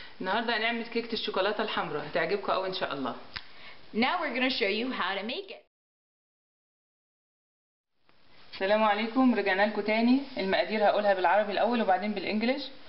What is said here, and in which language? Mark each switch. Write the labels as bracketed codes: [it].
[ar] النهارده هنعمل كيكه الشوكولاته الحمراء هتعجبكم قوي ان شاء الله. [en] Now we're going to show you how to make it. [ar] السلام عليكم، رجعنا لكم تاني. المقادير هقولها بالعربي الاول وبعدين بالانجليش.